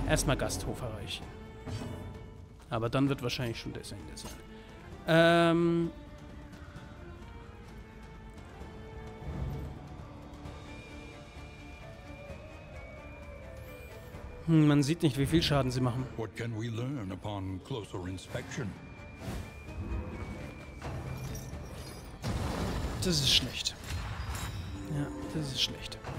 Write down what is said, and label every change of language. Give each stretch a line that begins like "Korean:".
German: Erstmal Gasthof erreichen. Aber dann wird wahrscheinlich schon das Ende sein. Man sieht nicht, wie viel Schaden sie machen.
English: What can we learn upon closer inspection?
German: Das ist schlecht. Ja, das ist schlecht.